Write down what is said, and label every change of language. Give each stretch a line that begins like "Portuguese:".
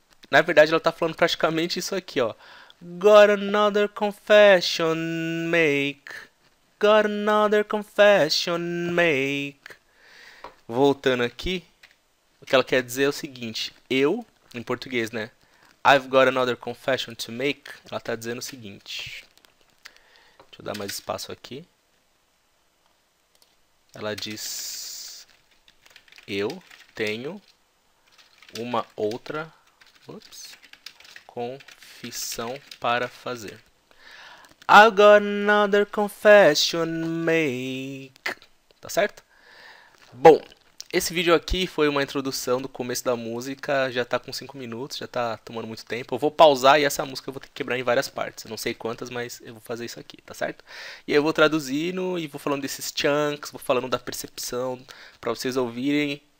Portuguese: Na verdade, ela tá falando praticamente isso aqui, ó.
English: Got another confession make. Got another confession make.
Portuguese: Voltando aqui, o que ela quer dizer é o seguinte: eu, em português, né?
English: I've got another confession to make.
Portuguese: Ela tá dizendo o seguinte. Deixa eu dar mais espaço aqui. Ela diz: eu tenho uma outra, ups, confissão para fazer.
English: I've got another confession make.
Portuguese: Tá certo? Bom, esse vídeo aqui foi uma introdução do começo da música. Já tá com 5 minutos, já tá tomando muito tempo. Eu vou pausar e essa música eu vou ter que quebrar em várias partes. Eu não sei quantas, mas eu vou fazer isso aqui, tá certo? E aí eu vou traduzindo e vou falando desses chunks, vou falando da percepção para vocês ouvirem.